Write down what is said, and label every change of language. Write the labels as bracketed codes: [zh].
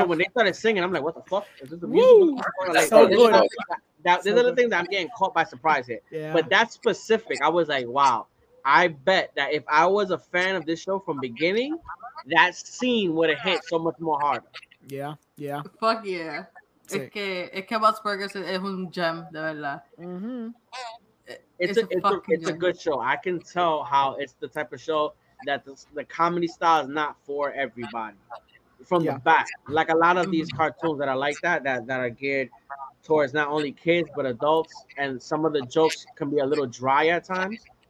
[en] So when they started singing, I'm like, what the fuck? Is this a musical? So that's the little thing that I'm getting caught by surprise here. Yeah. But that's specific. I was like, wow. I bet that if I was a fan of this show from beginning, that scene would have hit so much more harder. Yeah, yeah. Fuck yeah. [es] Es que Bob's Burgers es un gem, de verdad. [en] Mm-hmm. It's a good show. I can tell how it's the type of show that the comedy style is not for everybody. From the back. Like a lot of these cartoons that are like that are geared towards not only kids but adults, and some of the jokes can be a little dry at times.